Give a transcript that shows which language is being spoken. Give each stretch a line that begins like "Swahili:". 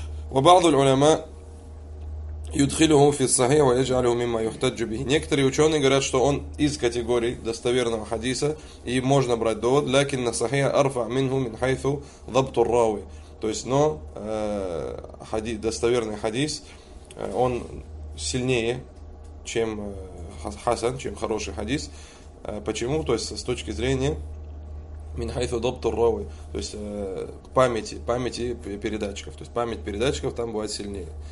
Arabic: وبعض العلماء يدخله في الصحيح ويجعله مما يحتج به.
Russian: Некоторые ученые говорят, что он из категории достоверного хадиса и можно брать довод.
Arabic: لكن الصحيح أرفع منه من حيث ضبط الراوي.
Russian: То есть, но хадис, достоверный хадис, он сильнее, чем хасан, чем хороший хадис. Почему? То есть с точки зрения
Arabic: мин хайсу дабту рави,
Russian: то есть памяти передатчиков, то есть память передатчиков там бывает сильнее.